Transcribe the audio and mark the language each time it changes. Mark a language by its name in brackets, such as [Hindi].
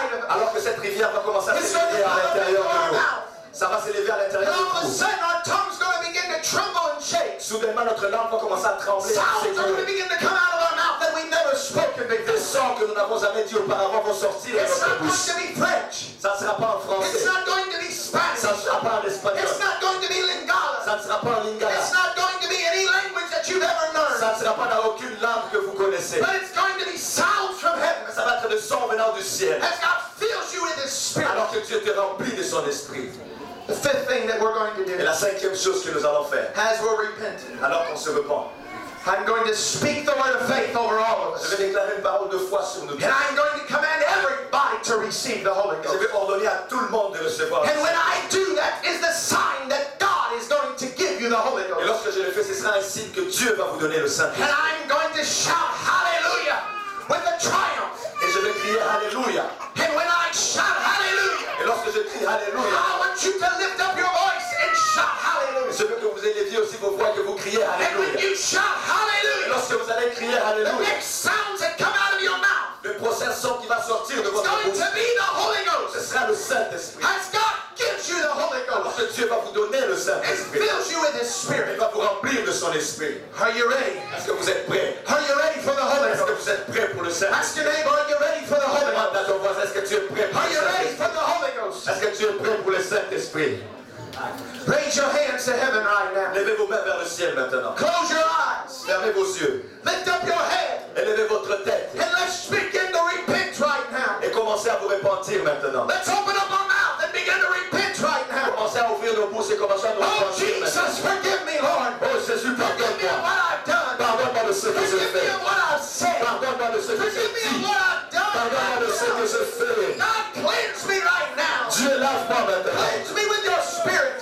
[French] Alors que cette rivière va commencer à s'élever à l'intérieur de nous. Ça va s'élever à l'intérieur de nous. [English] All of a sudden, our tongue's going to begin to tremble and shake. [French] Soudainement, notre langue va commencer à trembler. [English] Sounds are going to begin to come out of our mouth that we've never spoken before. [French] Des sons que nous n'avons jamais dit auparavant vont sortir de notre bouche. [English] It's not going to be French. [French] Ça ne sera pas en français. [English] It's not going to be Spanish. [French] Ça ne sera pas en espagnol. [English] It's not going to be Lingala. [French] Ça ne sera pas en Lingala. [English] It's not going to be any language that you've ever learned. [French] Ça ne sera pas dans aucune langue que vous connaissez. [English] But it's going to be sounds from heaven. [French] Ça va être des sons venant du ciel. [English] As God fills you with His Spirit. [French] Alors que Dieu te remplit de Son Esprit. [English] The fifth thing that we're going to do. [French] Et la cinquième chose que nous allons faire. [English] As we're repenting. [French] Alors qu'on se repent. [English] I'm going to speak the word of faith over all of us. [French] Je vais déclarer une parole de foi sur nous. [English] And I'm going to command everybody to receive the Holy Ghost. [French] Je vais ordonner à tout le monde de recevoir. [English] And when I do that, is the sign that God is going to give you the Holy Ghost. [French] Et lorsque je le fais, ce sera un signe que Dieu va vous donner le Saint-Esprit. [English] And I'm going to shout hallelujah with a triumph. [French] Et je vais crier hallelujah. [English] And when I shout hallelujah. [French] Et lorsque je crie hallelujah. [English] I want you to lift up your voice and shout hallelujah. [French] Je veux que vous éleviez aussi vos voix et que vous criez hallelujah. [English] And when you shout hallelujah. [French] Et lorsque vous allez crier hallelujah. [English] The next sound that comes out of your mouth. [French] Le prochain son qui va sortir de [English] it's [French] votre bouche. [English] It's going to be the Holy Ghost. [French] Ce sera le Saint-Esprit. [English] As God gives you the Holy Ghost. [French] Lorsque Dieu va vous donner le Saint-Esprit. [English] It fills you with His Spirit. [French] Il va vous remplir de Son Esprit. [English] Are you ready? [French] Est-ce que vous êtes prêts? [English] Are you ready for the Holy Ghost? [French] Est-ce que vous êtes prêts pour le Saint-Esprit? [English] Ask your neighbor, are you ready for the Holy Ghost? [French] Demande à ton voisin, est-ce que tu es prêt pour [English] are you ready for the Holy Ghost? [French] Est-ce que tu es prêt pour le Saint-Esprit? [English] Raise your hands to heaven right now. [French] Levez vos mains vers le ciel maintenant. [English] Close your eyes. [French] Fermez vos yeux. [English] Lift up your head. [French] Élevez votre tête. [English] And let's begin to repent right now. [French] Et commencez à vous repentir maintenant. [English] Let's open up our mouth and begin to repent right now. [French] Commencez à ouvrir nos bouches et commencez à nous repentir. [English] Oh Jesus, forgive me, Lord. [French] Oh Jésus, pardonne-moi. [English] Forgive me what I've done. [French] Pardonne-moi de ce que j'ai fait. [English] Forgive me what I've said. [French] Pardonne-moi de ce que j'ai dit. [English] Forgive me what I've done. [French] Pardonne-moi de ce que j'ai fait. [English] God cleanse me right now. [French] Dieu lave-moi maintenant. [English] Cleanse me with your Spirit.